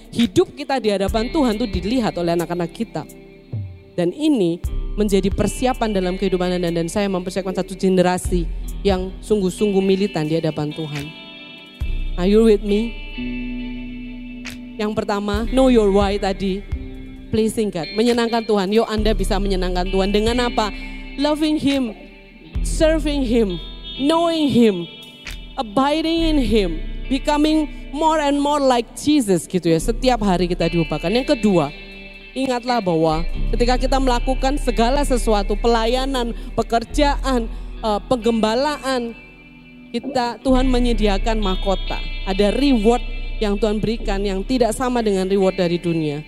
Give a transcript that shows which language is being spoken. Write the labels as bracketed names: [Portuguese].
[Indonesian] Hidup kita di hadapan Tuhan itu dilihat oleh anak-anak kita. Dan ini menjadi persiapan dalam kehidupan Anda dan saya mempersiapkan satu generasi yang sungguh-sungguh militan di hadapan Tuhan. [English] Are you with me? [Indonesian] Yang pertama, [English] know your why [Indonesian] tadi. Pleasing God, menyenangkan Tuhan. Yuk Anda bisa menyenangkan Tuhan dengan apa? [English] Loving Him, serving Him, knowing Him, abiding in Him, becoming more and more like Jesus [Indonesian] gitu ya. Setiap hari kita diubahkan. Yang kedua, ingatlah bahwa ketika kita melakukan segala sesuatu, pelayanan, pekerjaan, penggembalaan, kita Tuhan menyediakan mahkota. Ada reward yang Tuhan berikan yang tidak sama dengan reward dari dunia.